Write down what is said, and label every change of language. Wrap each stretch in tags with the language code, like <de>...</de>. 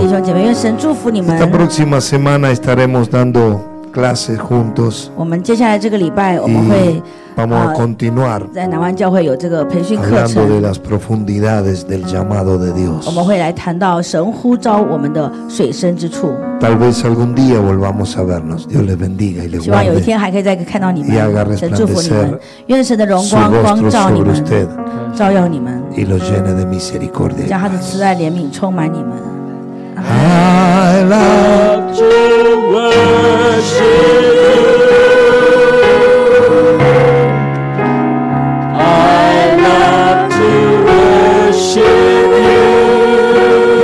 <zh>弟兄姐妹，愿神祝福你们。</zh> <es>Esta próxima semana estaremos dando clases juntos.</es> <zh>我们接下来这个礼拜我们会</zh> <es>vamos a continuar</es> <zh>在南湾教会有这个培训课程。</zh> <es>Hablando de las profundidades del llamado de Dios.</es> <zh>我们会来谈到神呼召我们的水深之处。</zh> <es>Tal vez algún día volvamos a vernos. Dios les bendiga y les guarde.</es> <zh>希望有一天还可以再看到你们。</zh> <es>Y haga resplandecer</es> <zh>愿神的荣光光照你们。照耀你们</zh> <es>y los llene de misericordia</es> <zh>将他的慈爱怜悯充满你们</zh> <en>I love to worship you I love to worship you</en>